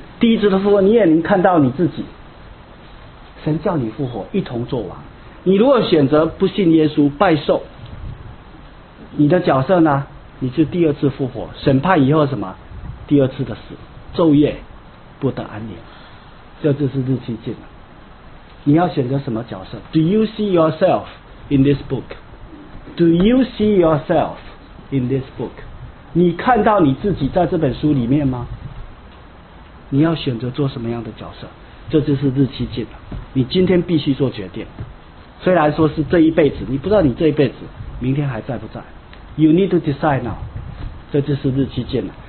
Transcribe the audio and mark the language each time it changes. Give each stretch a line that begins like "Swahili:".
Chinese: 第一次的复活，你也能看到你自己。神叫你复活，一同做王。你如果选择不信耶稣，拜受，你的角色呢？你是第二次复活，审判以后什么？第二次的死，昼夜不得安宁。这就是日期近了。你要选择什么角色？
English: Do you see yourself in this book? Do you see yourself in this book?
Chinese: 你看到你自己在这本书里面吗？你要选择做什么样的角色？这就是日期近了，你今天必须做决定。虽然说是这一辈子，你不知道你这一辈子明天还在不在。
English: You need to decide now。
Chinese: 这就是日期近了。